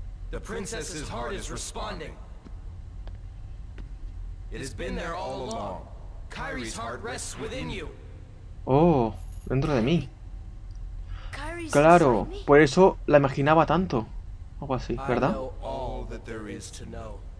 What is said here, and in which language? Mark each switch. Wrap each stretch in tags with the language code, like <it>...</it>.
<en>The princess's heart is responding. It has been there all along. Kairi's heart rests within you.</en> <es>Oh, dentro de mí.</es> <en>Kairi's</en> <es>claro, por eso la imaginaba tanto. Algo así, ¿verdad?</es> <en>I know all that there is to know.</en>